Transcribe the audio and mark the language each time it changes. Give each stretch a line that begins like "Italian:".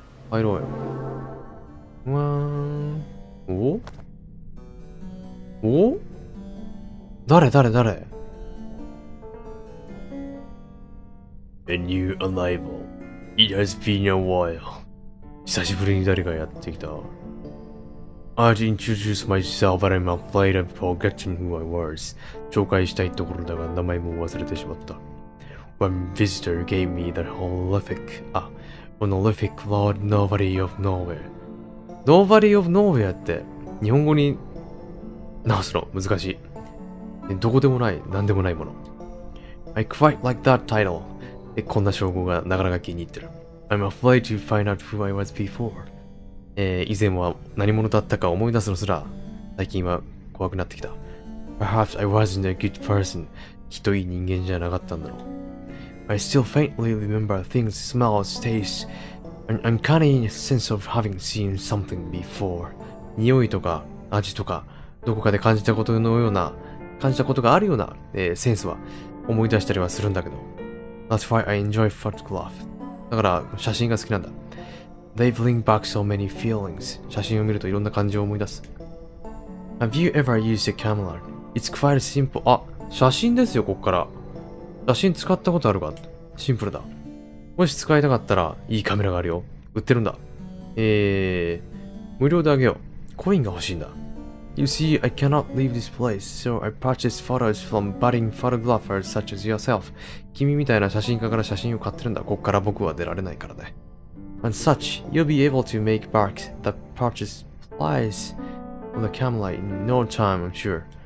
Japanese: 入ろうよ。わーん。お？お？誰？
English: A new arrival. It has been a while.
Japanese: 久しぶりに誰がやってきた。
English: I'd introduce myself, but I'm afraid of forgetting who I was.
Japanese: 紹介したいところだが名前も忘れてしまった。
English: One visitor gave me the horrific, honorific Lord Nobody of Nowhere.
Japanese: Nobody of Nowhere って日本語に直すの難しい。どこでもない、なんでもないもの。
English: I quite like that title.
Japanese: こんな称号がなかなか気に入ってる。
English: I'm afraid to find out who I was before.
Japanese: 以前は何者だったか思い出すのすら、最近は怖くなってきた。
English: Perhaps I wasn't a good person.
Japanese: きっといい人間じゃなかったんだろう。
English: I still faintly remember things, smells, tastes, an uncanny sense of having seen something before.
Japanese: 匂いとか味とか、どこかで感じたことのような、感じたことがあるような、センスは思い出したりはするんだけど。
English: That's why I enjoy photograph.
Japanese: だから写真が好きなんだ。
English: They bring back so many feelings.
Japanese: 写真を見るといろんな感情を思い出す。
English: Have you ever used a camera? It's quite simple.
Japanese: あ、写真ですよ、こっから。写真使ったことあるか?シンプルだ。もし使いたかったら、いいカメラがあるよ。売ってるんだ。無料であげよう。コインが欲しいんだ。
English: You see, I cannot leave this place, so I purchased photos from budding photographers such as yourself.
Japanese: 君みたいな写真家から写真を買ってるんだ。こっから僕は出られないからね。
English: And such, you'll be able to make back the purchase price on the camera in no time, I'm sure.